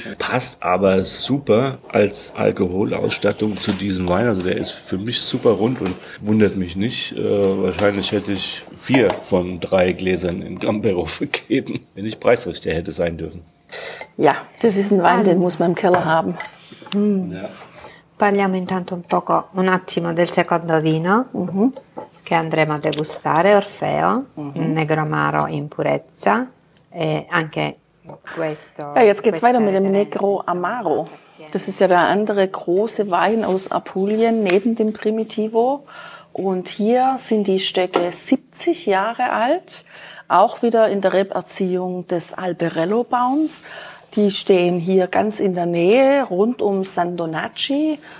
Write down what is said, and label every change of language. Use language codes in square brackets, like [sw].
[de] Passt aber super als Alkoholausstattung zu diesem Wein. Also der ist für mich super rund und wundert mich nicht. Wahrscheinlich hätte ich 4 von 3 Gläsern in Gambero vergeben, wenn ich preisrichter hätte sein dürfen. Ja, das ist ein Wein, den muss man im Keller haben. [it] Parliamo intanto un attimo del secondo vino che andremo a degustare, Orfeo, Negroamaro in purezza, e anche questo. [de] Ja, jetzt geht's weiter mit dem Negro Amaro. Das ist ja der andere große Wein aus Apulien neben dem Primitivo, und hier sind die Stöcke 70 Jahre alt, auch wieder in der Reberziehung des Alberello Baums. Die stehen hier ganz in der Nähe, rund um San Donaci.